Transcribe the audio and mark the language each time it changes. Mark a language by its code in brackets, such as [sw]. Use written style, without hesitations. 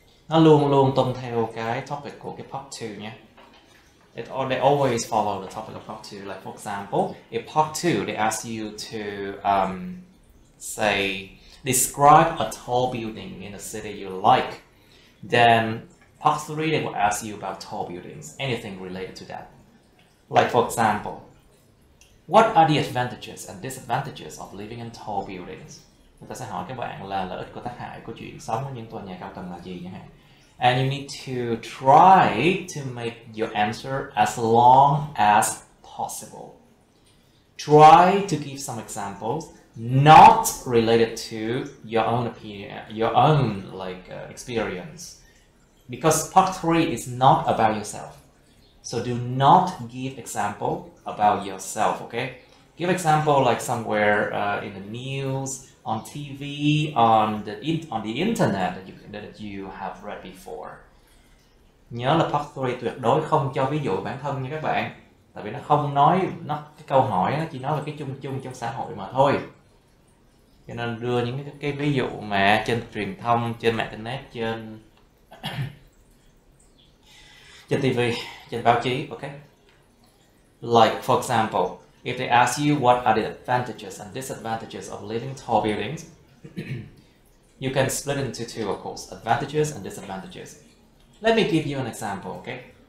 [vi] Nó luôn luôn tuân theo cái topic của cái part two nhé. [en] They always follow the topic of part two. Like for example, in part two, they ask you to say. Describe a tall building in a city you like. Then part three, they will ask you about tall buildings, anything related to that. Like for example, what are the advantages and disadvantages of living in tall buildings? [vi] Người ta sẽ hỏi các bạn là lợi ích và tác hại của chuyện sống ở những tòa nhà cao tầng là gì nhỉ? [en] And you need to try to make your answer as long as possible. Try to give some examples not related to your own opinion, your own like experience, because part three is not about yourself. So do not give example about yourself. Okay, give example like somewhere in the news, on TV, on the internet that you have read before. [vi] Nhớ là part three tuyệt đối không cho ví dụ bản thân nha các bạn, tại vì nó không nói nó cái câu hỏi nó chỉ nói là cái chung chung trong xã hội mà thôi. Cho nên đưa những cái ví dụ mà trên truyền thông, trên mạng internet, trên trên TV, trên báo chí, okay? [en] Like for example, if they ask you what are the advantages and disadvantages of living in tall buildings, you can split it into two, of course, advantages and disadvantages. Let me give you an example, okay?